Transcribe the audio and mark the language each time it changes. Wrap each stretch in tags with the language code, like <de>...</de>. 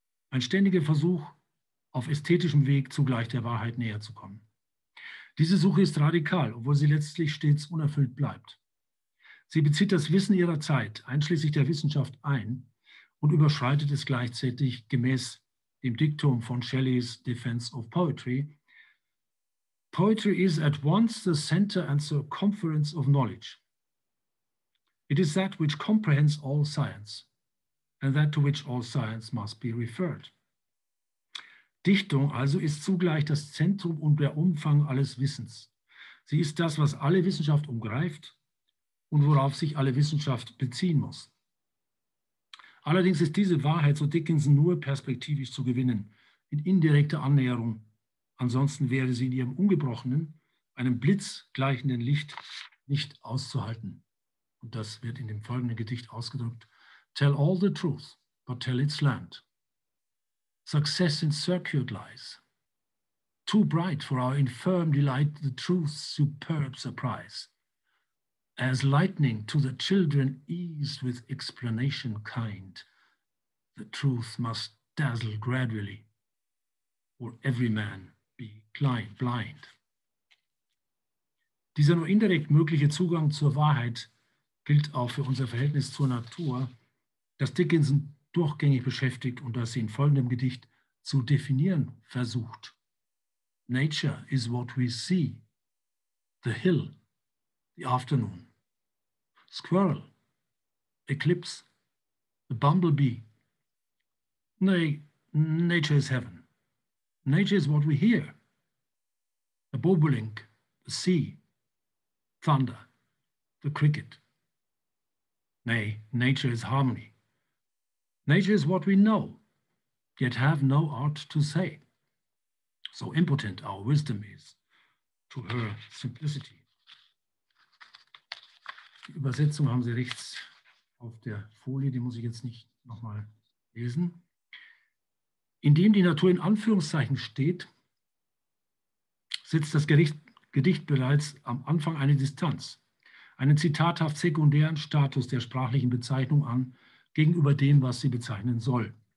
<de>Ein ständiger Versuch, auf ästhetischem Weg zugleich der Wahrheit näher zu kommen. Diese Suche ist radikal, obwohl sie letztlich stets unerfüllt bleibt. Sie bezieht das Wissen ihrer Zeit, einschließlich der Wissenschaft, ein und überschreitet es gleichzeitig gemäß dem Diktum von Shelleys Defense of Poetry,</de> <en>Poetry is at once the center and circumference of knowledge. It is that which comprehends all science and that to which all science must be referred.</en> <de>Dichtung also ist zugleich das Zentrum und der Umfang alles Wissens. Sie ist das, was alle Wissenschaft umgreift und worauf sich alle Wissenschaft beziehen muss. Allerdings ist diese Wahrheit, so Dickinson, nur perspektivisch zu gewinnen, in indirekter Annäherung. Ansonsten wäre sie in ihrem ungebrochenen, einem blitzgleichenden Licht nicht auszuhalten. Und das wird in dem folgenden Gedicht ausgedrückt.</de> <en>Tell all the truth, but tell it slant. Success in circuit lies. Too bright for our infirm delight, the truth's superb surprise. As lightning to the children eased with explanation kind, the truth must dazzle gradually, or every man be blind.</en> <de>Dieser nur indirekt mögliche Zugang zur Wahrheit gilt auch für unser Verhältnis zur Natur, das Dickinson durchgängig beschäftigt und das sie in folgendem Gedicht zu definieren versucht.</de> <en>Nature is what we see, the hill, the afternoon, squirrel, eclipse, the bumblebee. Nay, nature is heaven. Nature is what we hear, the bobolink, the sea, thunder, the cricket. Nay, nature is harmony. Nature is what we know, yet have no art to say. So impotent our wisdom is to her simplicity.</en> <de>Die Übersetzung haben Sie rechts auf der Folie, die muss ich jetzt nicht nochmal lesen. Indem die Natur in Anführungszeichen steht, sitzt das Gedicht bereits am Anfang eine Distanz, einen zitathaft sekundären Status der sprachlichen Bezeichnung an, gegenüber dem, was sie bezeichnen soll.</de>